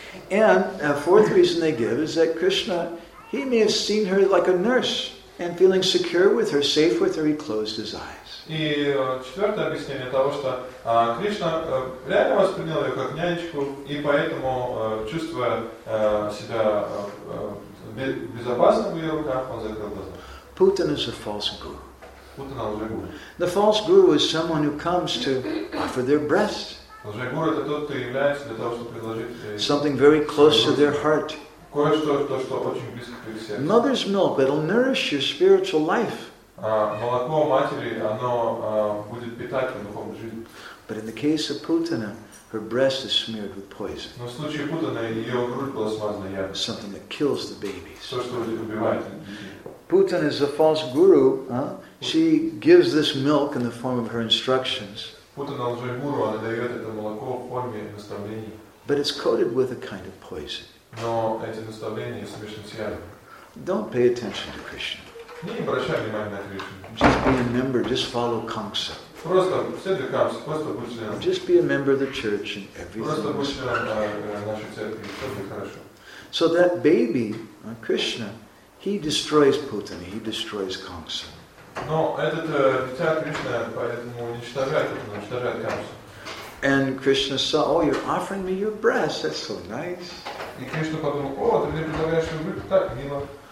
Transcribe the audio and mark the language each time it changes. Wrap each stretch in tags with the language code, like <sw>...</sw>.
<en>And a fourth reason they give is that Krishna, he may have seen her like a nurse and feeling secure with her, safe with her, he closed his eyes.</en> <ru>И четвертое объяснение того, что Кришна реально воспринял ее как нянечку, и поэтому, чувствуя себя безопасно в ее руках, он закрыл глаза.</ru> <en>Putana is a false guru.</en> <ru>Putana лжегуру.</ru> <en>The false guru is someone who comes to offer their breast.</en> <ru>Лжегуру — это тот, кто является для того, чтобы предложить</ru> <en>something very close to their heart.</en> <ru>Кое-что, то, что очень близко к их сердцу.</ru> <en>Mother's milk, it'll nourish your spiritual life.</en> <ru>Молоко матери, оно будет питать в духовной жизни.</ru> <en>But in the case of Putana, her breast is smeared with poison.</en> <ru>Но в случае Путана ее грудь была смазана ядом.</ru> <en>Something that kills the babies.</en> <ru>То, что убивает.</ru> <en>Putana is a false guru. She gives this milk in the form of her instructions.</en> <ru>Путана лжегуру, она дает это молоко в форме наставлений.</ru> <en>But it's coated with a kind of poison.</en> <ru>Но эти наставления смешаны с ядом.</ru> <en>Don't pay attention to Krishna.</en> <ru>Не обращай внимания на Кришну.</ru> <en>Just be a member, just follow Kamsa.</en> <ru>Просто следуй Камсе, просто будь членом.</ru> <en>Just be a member of the church and everything.</en> <ru>Просто будь членом нашей церкви, все хорошо.</ru> <en>So that baby, Krishna, he destroys Putana, he destroys Kamsa.</en> <ru>Но этот дитя Кришна, поэтому уничтожает Путана, уничтожает Камсу.</ru> <en>And Krishna saw, oh, you're offering me your breast, that's so nice.</en> <ru>И Кришна подумал, о, ты мне предлагаешь свою грудь, так мило.</ru>